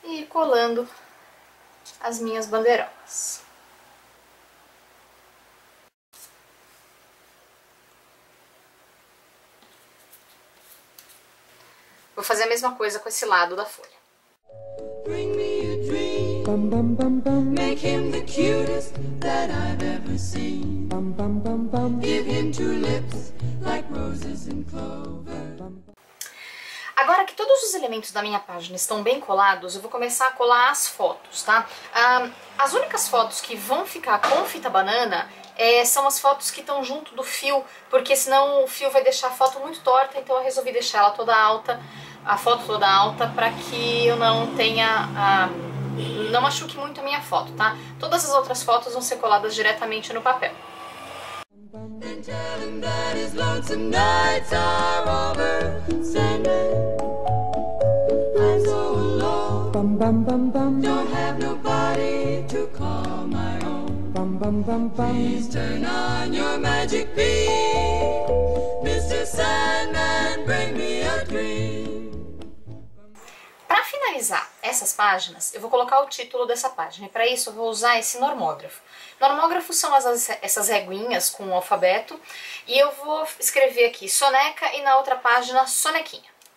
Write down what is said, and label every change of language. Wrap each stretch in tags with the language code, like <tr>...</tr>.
<pt>Colando as minhas bandeirolas. Vou fazer a mesma coisa com esse lado da folha.</pt> <en>Bring me a dream. Bum, bum, bum, bum. Make him the cutest that I've ever seen. Bum, bum, bum, bum. Give him two lips like roses and clover. Bum, bum.</en> <pt>Agora que todos os elementos da minha página estão bem colados, eu vou começar a colar as fotos, tá? As únicas fotos que vão ficar com fita banana são as fotos que estão junto do fio, porque senão o fio vai deixar a foto muito torta, então eu resolvi deixar ela toda alta, a foto toda alta, para que eu não tenha, não machuque muito a minha foto, tá? Todas as outras fotos vão ser coladas diretamente no papel.</pt> <en>And tell him that his lonesome nights are over. Sandman, I'm so alone. Bum, bum, bum, bum. Don't have nobody to call my own. Bum, bum, bum, bum. Please turn on your magic beam. Mr. Sandman, bring me a dream.</en> <pt>Pra finalizar essas páginas, eu vou colocar o título dessa página. E pra isso, eu vou usar esse normógrafo. Normógrafo são essas reguinhas com o alfabeto, e eu vou escrever aqui soneca e na outra página sonequinha.</pt>